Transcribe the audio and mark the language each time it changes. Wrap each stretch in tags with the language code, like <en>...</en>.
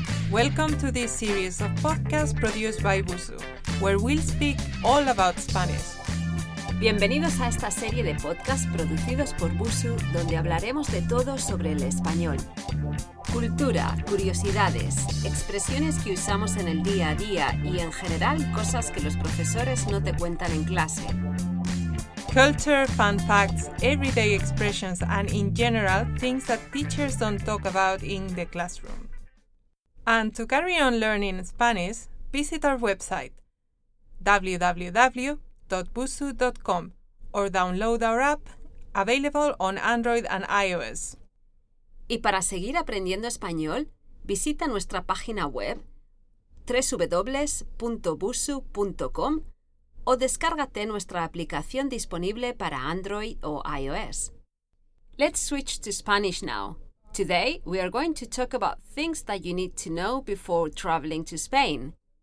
<en>Welcome to this series of podcasts produced by Busuu, where we'll speak all about Spanish.</en> <es>Bienvenidos a esta serie de podcasts producidos por Busuu, donde hablaremos de todo sobre el español. Cultura, curiosidades, expresiones que usamos en el día a día y, en general, cosas que los profesores no te cuentan en clase.</es> <en>Culture, fun facts, everyday expressions, and in general, things that teachers don't talk about in the classroom. And to carry on learning Spanish, visit our website, www.busuu.com, or download our app, available on Android and iOS.</en> <es>Y para seguir aprendiendo español, visita nuestra página web, www.busuu.com, o descárgate nuestra aplicación disponible para Android o iOS.</es> <en>Let's switch to Spanish now. Today, we are going to talk about things that you need to know before traveling to Spain.</en>